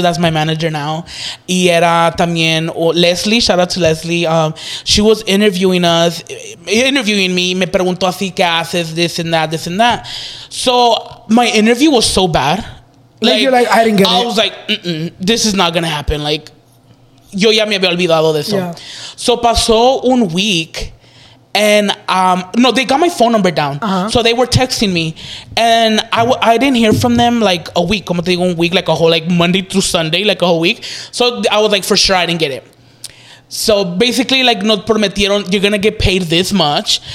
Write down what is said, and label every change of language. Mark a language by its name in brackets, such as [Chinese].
[English] That's my manager now. [Spanish] Y era también Leslie. [English] Shout out to Leslie. She was interviewing me. [Spanish] Me preguntó así, ¿qué haces? [English] This and that, this and that. So my interview was so bad. Like you're like, I didn't get it. I was like, this is not going to happen. [Spanish] Like, yo ya me había olvidado de eso. [English] Yeah. So [Spanish] pasó un [English] week. And no, they got my phone number down. Uh-huh. So they were texting me. And I didn't hear from them like a week. [Spanish] Como te digo, un [English] week, like a whole, like Monday through Sunday, like a whole week. So I was like, for sure, I didn't get it. So basically, like, [Spanish] nos prometieron, [English] you're going to get paid this much.